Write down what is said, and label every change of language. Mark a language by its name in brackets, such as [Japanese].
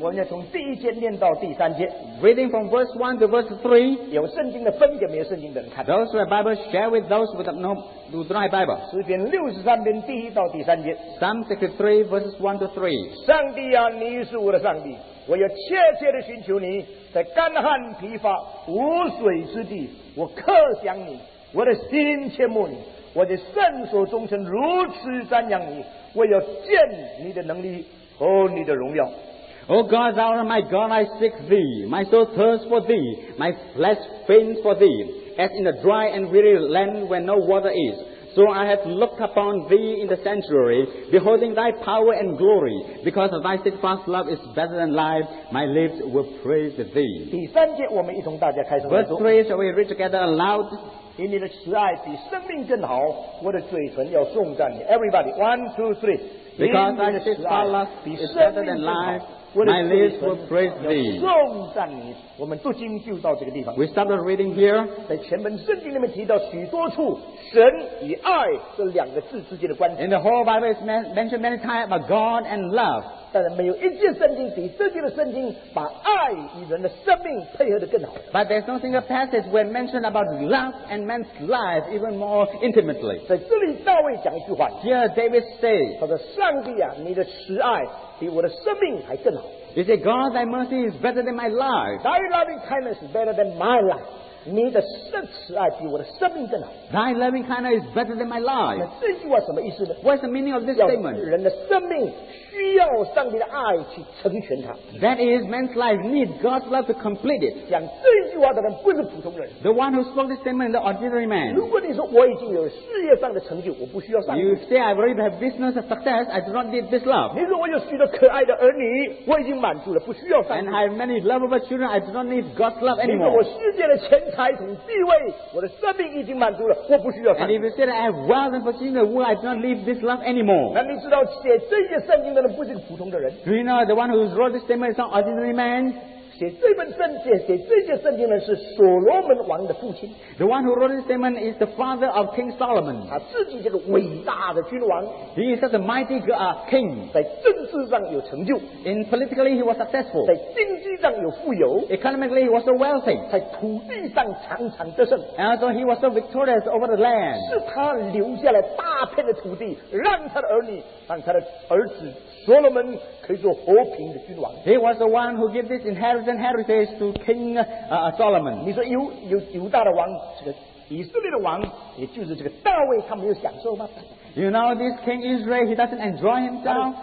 [Chinese] 我们要从第一节念到第三节。 [English] Reading from verse 1 to verse 3。 [Chinese] 有圣经的分给没有圣经的人看。 [English] Those who have Bible share with those who do not have Bible。 [Chinese] 诗篇六十三篇第一到第三节。 [English] Psalm 63 verses 1 to 3。 [Chinese] 上帝啊，你是我的上帝，我要切切地寻求你，在干旱疲乏无水之地，我刻想你，我的心切慕你，我的圣所忠诚如此瞻仰你，我要见你的能力和你的荣耀。 [English] O God, thou art my God, I seek thee. My soul thirsts for thee, my flesh faints for thee. As in the dry and weary land where no water is, so I have looked upon thee in the sanctuary, beholding thy power and glory. Because of thy steadfast love is better than life, my lips will praise thee. [Chinese] 第三节我们一同大家开始。 [English] Verse 3, shall we read together aloud? [Chinese] 以你的慈爱比生命更好，我的嘴唇要颂赞你。 [English] Everybody, 1, 2, 3. Because thy steadfast love is better than life, My lips will praise thee. [Chinese] 颂赞你。我们读经就到这个地方。 [English] We started reading here. [Chinese] 在前本圣经里面提到许多处神与爱这两个字之间的关系。 [English] In the whole Bible is mentioned many times about God and love. [Chinese] 但是没有一件圣经比这些的圣经把爱与人的生命配合得更好。 [English] But there's no single passage where mentioned about love and man's life even more intimately. [Chinese] 在这里大卫讲一句话。 [English] Here David says, [Chinese] 他说上帝啊，你的慈爱比我的生命还更好。 [English] He said, God, thy mercy is better than my life. Thy loving kindness is better than my life. [Chinese] 你的慈爱比我的生命更好。 [English] Thy loving kindness is better than my life. [Chinese] 这句话什么意思呢？ [English] What's the meaning of this statement? [Chinese] 要人的生命需要上帝的爱去成全它。 [English] That is, man's life needs God's love to complete it. [Chinese] 讲这句话的人不是普通人。 [English] The one who spoke this statement, the ordinary man. [Chinese] 如果你说我已经有事业上的成就，我不需要上帝。 [English] You say I already have business success, I do not need this love. [Chinese] 你说我有许多可爱的儿女，我已经满足了，不需要上帝。 [English] And I have many lovable children, I do not need God's love anymore. [Chinese] 你说我世界的钱财统地位，我的生命已经满足了，我不需要。 [English] And if you say that I have wealth and possessions, well, I do not need this love anymore. [Chinese] 那你知道写这些圣经的人不是普通的人。 [English] Do you know the one who wrote this statement is not ordinary man? [Chinese] 写这本圣经、写这些圣经的人是所罗门王的父亲。 [English] The one who wrote this statement is the father of King Solomon. [Chinese] 他自己这个伟大的君王。 [English] He is such a mighty king. [Chinese] 在政治上有成就。 [English] In politically, he was successful. [Chinese] 在经济上有富有。 [English] Economically, he was so wealthy. [Chinese] 在土地上常常得胜。 [English] And also, he was so victorious over the land. [Chinese] 是他留下了大片的土地，让他的儿女，让他的儿子Solomon 可以做和平的君王。 [English] He was the one who gave this inheritance to King Solomon. [Chinese] 你说犹大的王，这个以色列的王，也就是这个大卫，他没有享受吗？ [English] You know this King Israel, he doesn't enjoy himself.